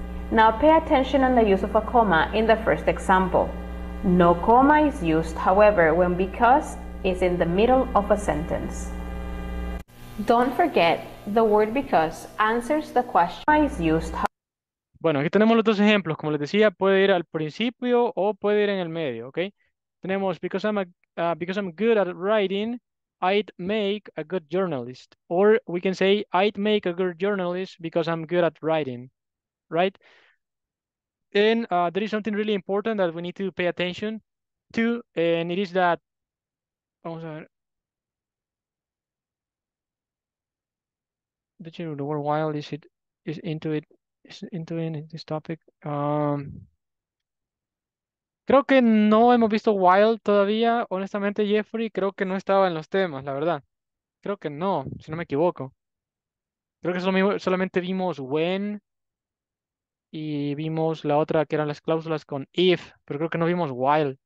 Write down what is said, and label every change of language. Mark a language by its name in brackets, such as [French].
[English] Now pay attention on the use of a comma in the first example. No comma is used, however, when because is in the middle of a sentence. Don't forget, the word because answers the question is used. [Spanish] Bueno, aquí tenemos los dos ejemplos. Como les decía, puede ir al principio o puede ir en el medio, ¿ok? Tenemos, [English] because I'm good at writing, I'd make a good journalist. Or we can say, I'd make a good journalist because I'm good at writing, right? And there is something really important that we need to pay attention to, and it is that, [Spanish] vamos a ver. [English] Did you know the word while is into this topic? [Spanish] Creo que no hemos visto while todavía, honestamente, Jeffrey. Creo que no estaba en los temas, la verdad. Creo que no, si no me equivoco. Creo que solamente vimos when. Y vimos la otra que eran las cláusulas con if, pero creo que no vimos while.